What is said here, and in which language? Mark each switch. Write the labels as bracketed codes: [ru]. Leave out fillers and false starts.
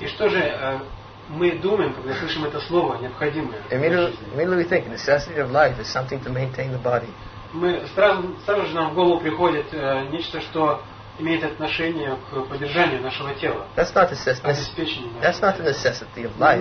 [ru] И что же мы думаем, когда слышим это слово, необходимое для жизни? [en] Immediately we think necessity of life is something to maintain the body. [ru] Мы сразу же нам в голову приходит нечто, что имеет отношение к поддержанию нашего тела. [en] That's not [ru] обеспечению. [en] That's not a necessity of life.